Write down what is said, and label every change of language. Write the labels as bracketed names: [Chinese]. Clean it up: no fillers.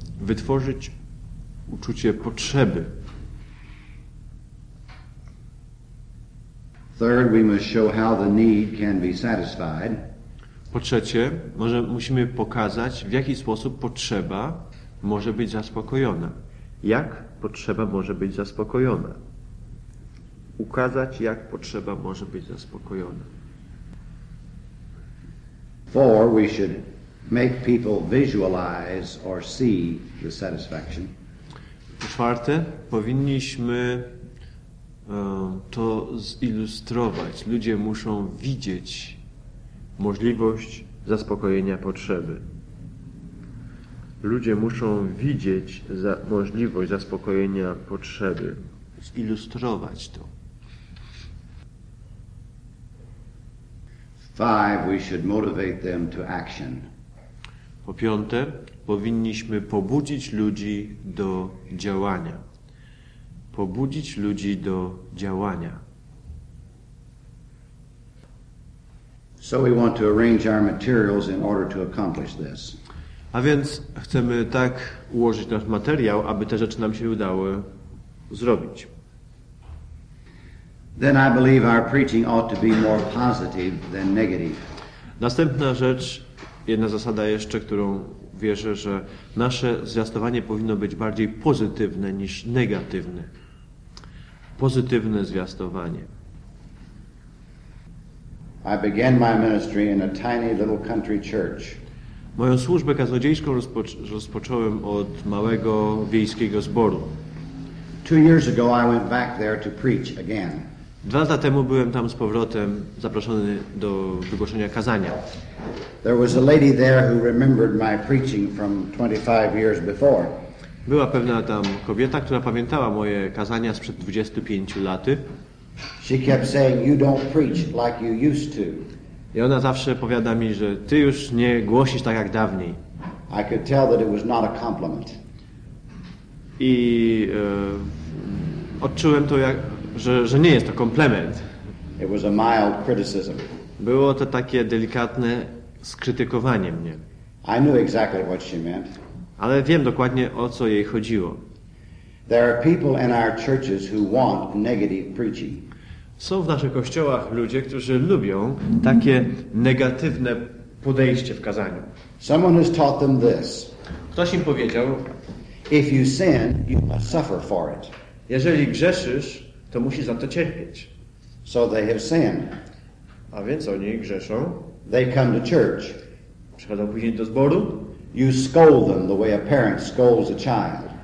[Polish] Wytworzyć uczucie potrzeby. [English] Third, we must show how the need can be satisfied. [Polish] Po trzecie, musimy pokazać, w jaki sposób potrzeba może być zaspokojona. Jak potrzeba może być zaspokojona? Ukazać, jak potrzeba może być zaspokojona. [English] Four, we should make people visualize or see the satisfaction. [Polish] Po czwarte, powinniśmy to zilustrować. Ludzie muszą widzieć możliwość zaspokojenia potrzeby. Ludzie muszą widzieć możliwość zaspokojenia potrzeby. Zilustrować to. [English] Five, we should motivate them to action. [Polish] Po piąte, powinniśmy pobudzić ludzi do działania. Pobudzić ludzi do działania. [English] So we want to arrange our materials in order to accomplish this. [Polish] A więc chcemy tak ułożyć nasz materiał, aby te rzeczy nam się udały zrobić. [English] Then I believe our preaching ought to be more positive than negative. [Polish] Następna rzecz, jedna zasada jeszcze, którą wierzę, że nasze zwiastowanie powinno być bardziej pozytywne niż negatywne. Pozytywne zwiastowanie. [English] I began my ministry in a tiny little country church. [Polish] Moją służbę kaznodziejską rozpocząłem od małego wiejskiego zboru. [English] 2 years ago I went back there to preach again. [Polish] 2 lata temu byłem tam z powrotem zaproszony do wygłoszenia kazania. [English] There was a lady there who remembered my preaching from 25 years before. [Polish] Była pewna tam kobieta, która pamiętała moje kazania sprzed 25 lat. [English] She kept saying, "You don't preach like you used to." [Polish] I ona zawsze powiada mi, że ty już nie głosisz tak jak dawniej. [English] I could tell that it was not a compliment. [Polish] I odczułem to, jak, że nie jest to komplement. [English] It was a mild criticism. [Polish] Było to takie delikatne skrytykowanie mnie. [English] I knew exactly what she meant. [Polish] Ale wiem dokładnie, o co jej chodziło. [English] There are people in our churches who want negative preaching. [Polish] Są w naszych kościołach ludzie, którzy lubią takie negatywne podejście w kazaniu. [English] Someone has taught them this. [Polish] Ktoś im powiedział: [English] "If you sin, you must suffer for it." [Polish] Jeżeli grzeszysz, to musisz za to cierpieć. [English] So they have sinned. [Polish] A więc oni grzeszą. [English] They come to church. [Polish] Przychodzą później do zboru. [English] You scold them the way a parent scolds a child.